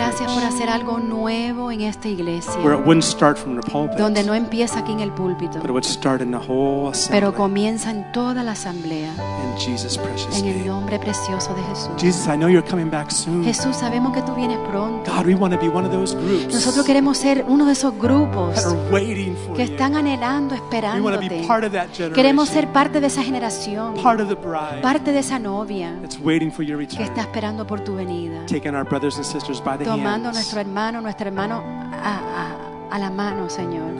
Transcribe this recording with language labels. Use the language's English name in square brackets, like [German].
[Spanish] Gracias por hacer algo nuevo en esta iglesia. [English] Where it wouldn't start from the pulpit. [Spanish] Donde no empieza aquí en el púlpito. [English] But it would start in the whole assembly. [Spanish] Pero comienza en toda la asamblea. [English] In Jesus' precious name. [Spanish] En el nombre precioso de Jesús. [English] Jesus, I know you're coming back soon. [Spanish] Jesús, sabemos que tú vienes pronto. [English] God, we want to be one of those groups. [Spanish] Nosotros queremos ser uno de esos grupos [English] that are waiting for [Spanish] que están [English] you. [Spanish] Anhelando, esperándote. [English] We want to be part of that generation. [Spanish] Queremos ser parte de esa generación. [English] Part of the bride. [Spanish] Parte de esa novia. [English] It's waiting for your return. [Spanish] Que está esperando por tu venida. [English] Taking our brothers and sisters by the hands. [Spanish] Tomando nuestro hermano, nuestra hermana a la mano, Señor.